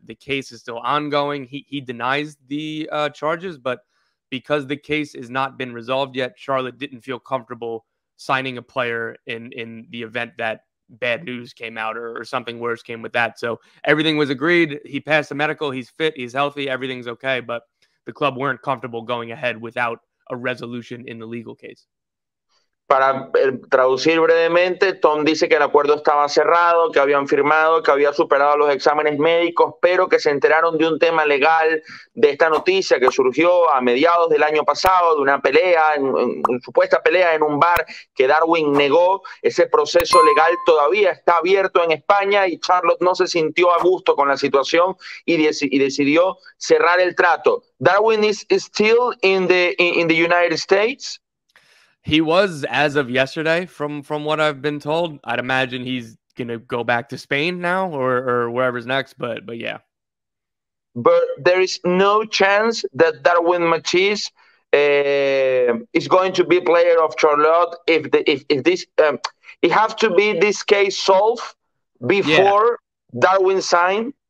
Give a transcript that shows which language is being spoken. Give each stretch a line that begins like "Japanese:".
English: The case is still ongoing. He denies the charges, but because the case has not been resolved yet, Charlotte didn't feel comfortable signing a player in the event that bad news came out or something worse came with that. So everything was agreed. He passed the medical. He's fit. He's healthy. Everything's okay. But the club weren't comfortable going ahead without a resolution in the legal case.
Spanish: Para traducir brevemente, Tom dice que el acuerdo estaba cerrado, que habían firmado, que había superado los exámenes médicos, pero que se enteraron de un tema legal de esta noticia que surgió a mediados del año pasado, de una pelea, una supuesta pelea en un bar que Darwin negó. Ese proceso legal todavía está abierto en España y Charlotte no se sintió a gusto con la situación y decidió cerrar el trato.
English: Darwin is still in the United States. He was, as of yesterday, from what I've been told. I'd imagine he's going to go back to Spain now or wherever's next, but yeah. But there is no chance that Darwin Machis is going to be player of Charlotte if this it has to be this case solved before Darwin signed.